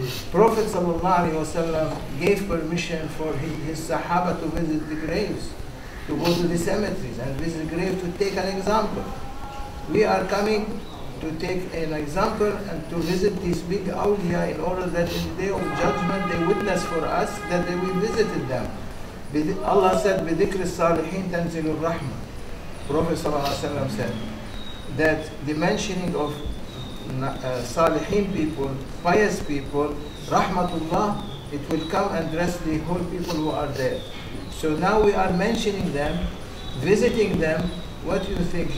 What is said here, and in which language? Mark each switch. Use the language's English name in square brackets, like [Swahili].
[English] Prophet Sallallahu Alaihi Wasallam gave permission for his Sahaba to visit the graves, to go to the cemeteries and visit the grave to take an example. We are coming to take an example and to visit these big awliya in order that in the day of judgment they witness for us that we visited them. Allah said, [Arabic] بِذِكْرِ الصَّالِحِينَ تَنْزِلُ الرَّحْمَةِ. [English] Prophet ﷺ said that the mentioning of salihin people, pious people, rahmatullah, it will come and dress the whole people who are there. So now we are mentioning them, visiting them. What do you think?